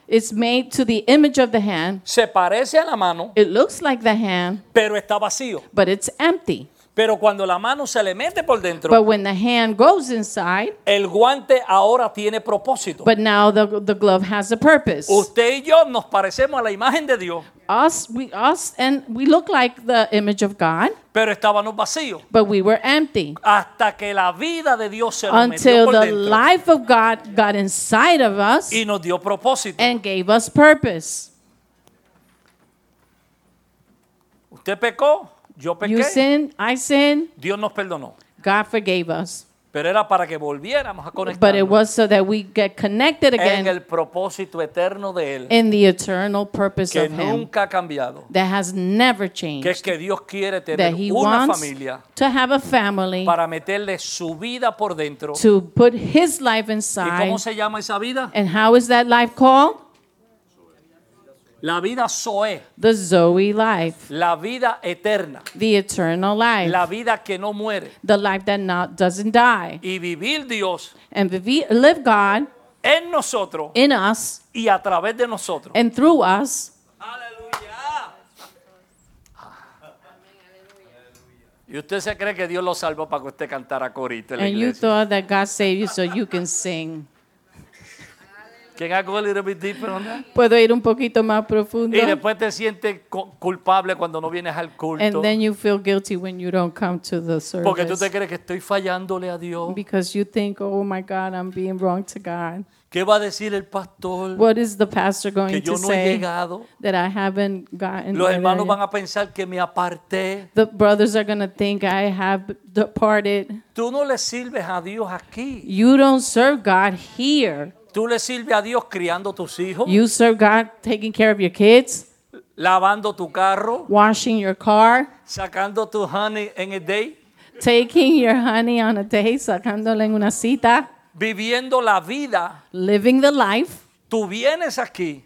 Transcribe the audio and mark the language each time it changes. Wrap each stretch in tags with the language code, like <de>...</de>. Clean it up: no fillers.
<en>It's made to the image of the hand.</en> <es>Se parece a la mano.</es> <en>It looks like the hand.</en> <es>Pero está vacío.</es> <en>But it's empty.</en> <es>Pero cuando la mano se le mete por dentro.</es> <en>But when the hand goes inside.</en> <es>El guante ahora tiene propósito.</es> <en>But now the glove has a purpose.</en> <es>Usted y yo nos parecemos a la imagen de Dios.</es> <en>Us and we look like the image of God.</en> <es>Pero estábamos vacíos.</es> <en>But we were empty.</en> <es>Hasta que la vida de Dios se lo metió por dentro.</es> <en>Until the life of God got inside of us.</en> <es>Y nos dio propósito.</es> <en>And gave us purpose.</en> <es>Usted pecó. Yo pequé.</es> <en>You sin, I sin.</en> <es>Dios nos perdonó.</es> <en>God forgave us.</en> <es>Pero era para que volviéramos a conectarnos.</es> <en>But it was so that we get connected again.</en> <es>En el propósito eterno de él.</es> <en>In the eternal purpose of him.</en> <es>Que nunca ha cambiado.</es> <en>That has never changed.</en> <es>Que es que Dios quiere tener</es> <en>that he</en> <es>una</es> <en>wants</en> <es>familia.</es> <en>To have a family.</en> <es>Para meterle su vida por dentro.</es> <en>To put his life inside.</en> <es>¿Y cómo se llama esa vida?</es> <en>And how is that life called?</en> <es>La vida Zoe.</es> <en>The Zoe life.</en> <es>La vida eterna.</es> <en>The eternal life.</en> <es>La vida que no muere.</es> <en>The life that not doesn't die.</en> <es>Y vivir Dios.</es> <en>And live God.</en> <es>En nosotros.</es> <en>In us.</en> <es>Y a través de nosotros.</es> <en>And through us.</en> <es>Aleluya. Y usted se cree que Dios lo salvó para que usted cantara corito en la iglesia.</es> <en>And you thought that God saved you so you can sing. Can I go a little bit deeper on that?</en> <es>Puedo ir un poquito más profundo. Y después te sientes culpable cuando no vienes al culto.</es> <en>And then you feel guilty when you don't come to the service.</en> <es>Porque tú te crees que estoy fallándole a Dios.</es> <en>Because you think, oh my God, I'm being wrong to God.</en> <es>¿Qué va a decir el pastor?</es> <en>What is the pastor going to say?</en> <es>Que yo no he llegado.</es> <en>That I haven't gotten.</en> <es>Los hermanos van a pensar que me aparté.</es> <en>The brothers are going to think I have departed.</en> <es>Tú no le sirves a Dios aquí.</es> <en>You don't serve God here.</en> <es>Tú le sirves a Dios criando tus hijos.</es> <en>You serve God taking care of your kids.</en> <es>Lavando tu carro.</es> <en>Washing your car.</en> <es>Sacando tu</es> <en>honey</en> <es>en el</es> <en>day. Taking your honey on a day,</en> <es>sacándole en una cita. Viviendo la vida.</es> <en>Living the life.</en> <es>Tú vienes aquí.</es>